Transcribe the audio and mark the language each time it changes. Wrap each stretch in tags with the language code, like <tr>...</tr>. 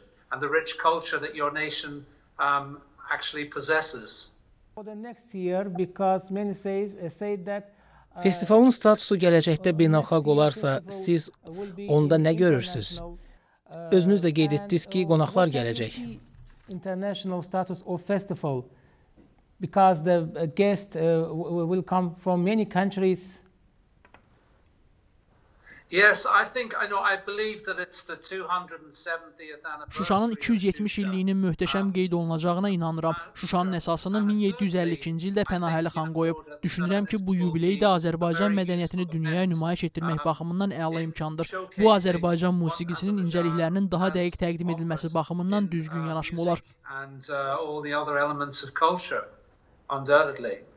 <en>And the rich culture that your nation actually possesses. For the next year, because many say that.</en> <az>Festivalın statusu gələcəkdə beynəlxalq olarsa, siz onda nə görürsünüz? Özünüz də qeyd etdiniz ki, qonaqlar gələcək.</az> <en>International status of festival, because the guests will come from many countries. Yes, I think I know. I believe that it's the 270th anniversary.</en> <az>Şuşanın 270 illiyinin möhtəşəm qeyd olunacağına inanıram. Şuşanın əsasını 1752-ci ildə Pənahəli xan qoyub. Düşünürəm ki, bu yubiley də Azərbaycan mədəniyyətini dünyaya nümayiş etdirmək baxımından əla imkandır. Bu Azərbaycan musiqisinin incəliklərinin daha dəqiq təqdim edilməsi baxımından düzgün yanaşma olar.</az>